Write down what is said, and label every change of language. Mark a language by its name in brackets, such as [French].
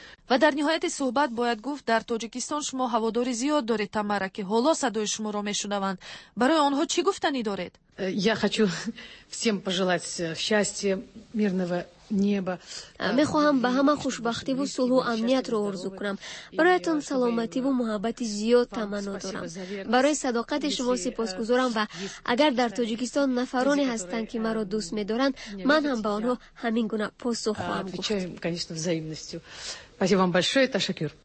[Persian] و در نهایت صحبت باید گفت در تاجیکستان شما هواداری زیاد دارید تمارا که حالا صدای شما رو میشنوند. برای آنها چی گفتنی دارید؟ [Russian] یا хочу всем пожелать счастья, мирного неба. [Persian] می خواهم به همه خوشبختی و صلح و امنیت رو آرزو کنم. برایتون سلامتی و محبت زیاد تمنا دارم. برای صداقت شما سپاسگزارم و اگر در تاجیکستان نفرانی هستند که مرا دوست می‌دارند، من هم به آنها همین گونه پاسخ خواهم گفت. [Russian] конечно, взаимностью. Спасибо вам большое, Таша Кюр.